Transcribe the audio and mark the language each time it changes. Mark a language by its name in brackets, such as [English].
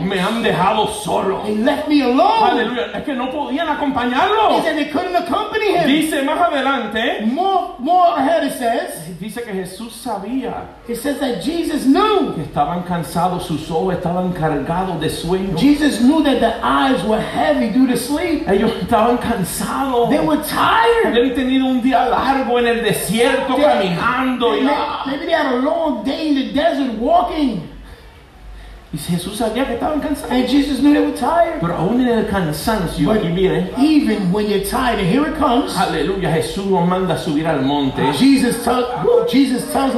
[Spanish] Me han dejado solo. [English] They left me alone. [Spanish] Aleluya. Es que no podían acompañarlo. [English] He said they couldn't accompany him. [Spanish] Dice más adelante. [English] More ahead it says. [Spanish] Dice que Jesús sabía. [English] It says that Jesus knew. [Spanish] Que estaban cansados, sus ojos estaban cargados de sueño. [English] Jesus knew that the eyes were heavy due to sleep. [Spanish] Ellos estaban cansados. [English] They were tired. [Spanish] Habían tenido un día largo en el desierto caminando. [English] Maybe they had a long day in the desert walking. [Spanish] Y Jesús sabía que estaban cansados. [English] And Jesus knew they were tired. [Spanish] Pero aún en el cansancio, aquí viene. [English] Even when you're tired, and here it comes. [Spanish] Aleluya, Jesús nos manda a subir al monte. [English] Jesus tells them